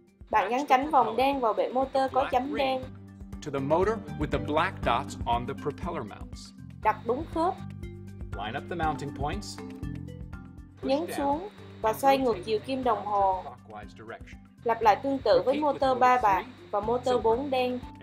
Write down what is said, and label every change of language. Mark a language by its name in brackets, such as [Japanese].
[Vietnamese] Bạn gắn cánh vòng đen vào bệ motor có chấm đen. [English] To the motor with the black dots on the propeller mounts. [Vietnamese] Đặt đúng khớp. [English] Line up the mounting points. [Vietnamese] Nhấn xuống và xoay ngược chiều kim đồng hồ. Lặp lại tương tự với motor 3 bạc và motor 4 đen.